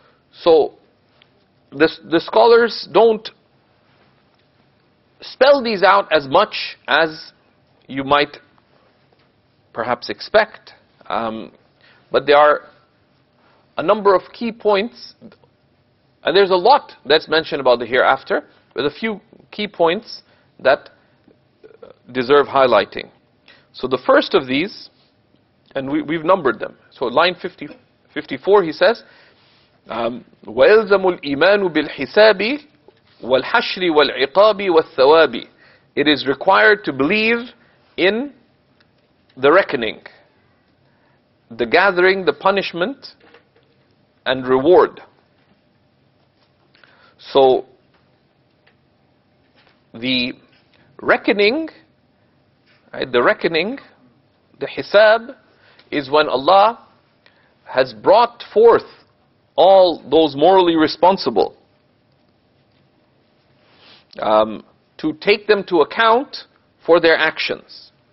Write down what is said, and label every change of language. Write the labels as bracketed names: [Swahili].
[English] So, the scholars don't spell these out as much as you might perhaps expect, but there are a number of key points, and there's a lot that's mentioned about the hereafter, with a few key points that deserve highlighting. So the first of these, and we've numbered them. So line 54, he says, [Arabic] وَيَلْزَمُ الْإِيمَانُ بِالْحِسَابِ وَالْحَشْرِ وَالْعِقَابِ وَالثَّوَابِ. [English] It is required to believe in the reckoning, the gathering, the punishment, and reward. So the reckoning, right, the reckoning, the hisab, is when Allah has brought forth all those morally responsible to take them to account for their actions.